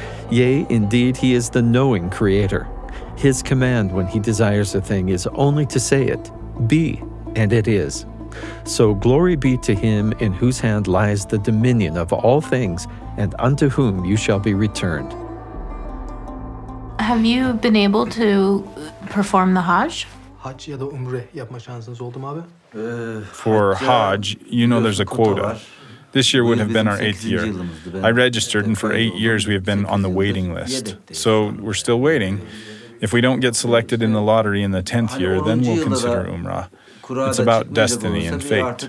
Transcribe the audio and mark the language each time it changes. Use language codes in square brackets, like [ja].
[en] Yea, indeed, He is the knowing creator. His command when He desires a thing is only to say it, be, and it is. So glory be to Him in whose hand lies the dominion of all things, and unto whom you shall be returned. Have you been able to perform the Hajj? [tr] Hajj ya da umreh yapma şansınız oldu mu abi? [en] For Hajj, you know there's a quota. This year would have been our 8th year. I registered, and for 8 years we have been on the waiting list. So we're still waiting. If we don't get selected in the lottery in the 10th year, then we'll consider Umrah. It's about destiny and fate.